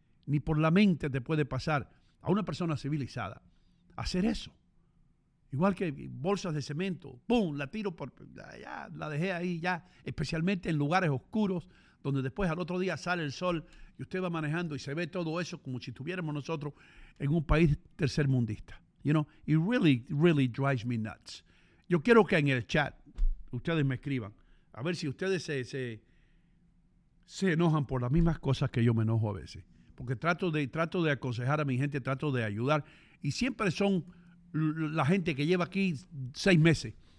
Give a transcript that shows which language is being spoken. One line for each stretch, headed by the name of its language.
Spanish: Ni por la mente te puede pasar a una persona civilizada hacer eso. Igual que bolsas de cemento, ¡pum!, la tiro por allá, la dejé ahí ya, especialmente en lugares oscuros, donde después al otro día sale el sol y usted va manejando y se ve todo eso como si estuviéramos nosotros en un país tercermundista.
English: You know, it really, really drives me nuts.
Spanish: Yo quiero que en el chat ustedes me escriban, a ver si ustedes se enojan por las mismas cosas que yo me enojo a veces. Porque trato de aconsejar a mi gente, trato de ayudar. Y siempre son la gente que lleva aquí 6 meses.